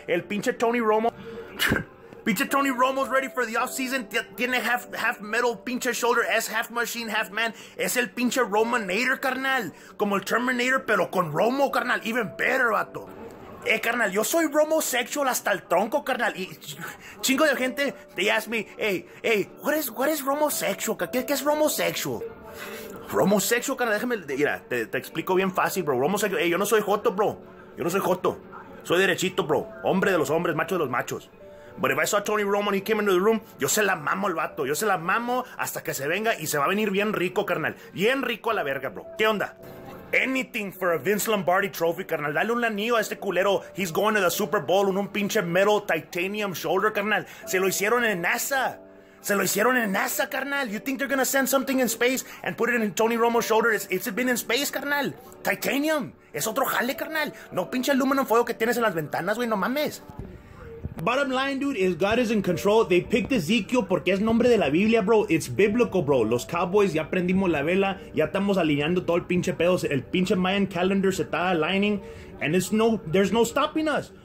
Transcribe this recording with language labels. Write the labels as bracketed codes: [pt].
[en] El pinche Tony Romo. Pinche Tony Romo's ready for the offseason. Tiene half metal, pinche shoulder. Es half machine, half man. [es] Es el pinche Romanator, carnal. Como el Terminator, pero con Romo, carnal. [en] Even better, vato. [es] Carnal, yo soy Romosexual hasta el tronco, carnal. Y chingo de gente, [en] they ask me, hey, what is Romosexual? [es] ¿Qué es Romosexual? Romosexual, carnal, déjame, mira, te explico bien fácil, bro. Romosexual, hey, yo no soy joto, bro. Yo no soy joto. Soy derechito, bro. Hombre de los hombres, macho de los machos. [en] But if I saw Tony Romo and he came into the room, [es] yo se la mamo al vato. Yo se la mamo hasta que se venga y se va a venir bien rico, carnal. Bien rico a la verga, bro. ¿Qué onda? [en] Anything for a Vince Lombardi trophy, [es] carnal. Dale un anillo a este culero. [en] He's going to the Super Bowl [es] en un pinche metal titanium shoulder, carnal. Se lo hicieron en NASA. Se lo hicieron en NASA, carnal. [en] You think they're gonna send something in space and put it in Tony Romo's shoulder? It's been in space, carnal. Titanium. [es] Es otro jale, [en] carnal. [es] No pinche aluminum fuego que tienes en las ventanas, güey. No mames. [en] Bottom line, dude, is God is in control. They picked Ezekiel [es] porque es nombre de la Biblia, bro. [en] It's biblical, bro. [es] Los Cowboys ya prendimos la vela. Ya estamos alineando todo el pinche pedo. [en] El pinche Mayan calendar se está aligning. And there's no stopping us.